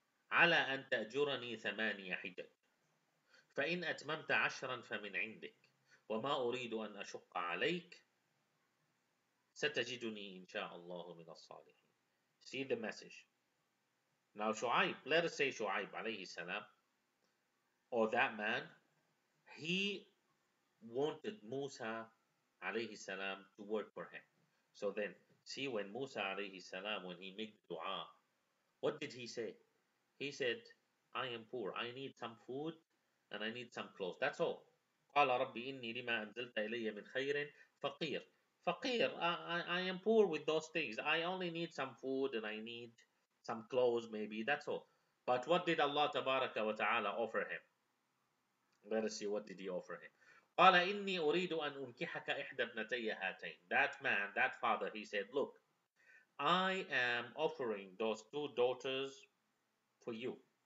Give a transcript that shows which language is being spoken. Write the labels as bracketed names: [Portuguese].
[Arabic] على أن تأجرني ثمانية حجج، فإن أتممت عشرا فمن عندك، وما أريد أن أشق عليك، ستجدني إن شاء الله من الصالحين. [English] See the message. Now Shu'aib, let us say Shu'aib عليه السلام, or that man, he wanted Musa عليه السلام to work for him. So then, see when Musa عليه السلام, when he made dua, what did he say? He said, I am poor, I need some food and I need some clothes. That's all. [Arabic] قال ربي إني لما أنزلت إلي من خير فقير. [English] Faqir, I am poor with those things. I only need some food and I need some clothes maybe. That's all. But what did Allah Tabaraka wa Ta'ala offer him? Let us see what did he offer him. [Arabic] قَالَ إِنِّي أُرِيدُ أَنْ أُنْكِحَكَ إِحْدَى بْنَتَيَّ هَاتَيْنِ [English] That man, that father, he said, look, I am offering those two daughters for you.